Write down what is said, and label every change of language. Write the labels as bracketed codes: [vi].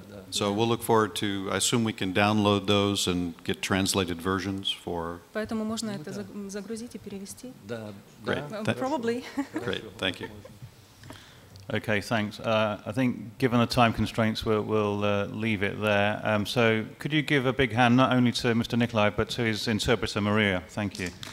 [en] So we'll look forward to, I assume we can download those and get translated versions for... [ru] Поэтому можно это загрузить и перевести? Да. [en] Great. Probably. Great, thank you. Okay, thanks. I think given the time constraints, we'll leave it there. So could you give a big hand not only to Mr. Nikolai, but to his interpreter, Maria? Thank you.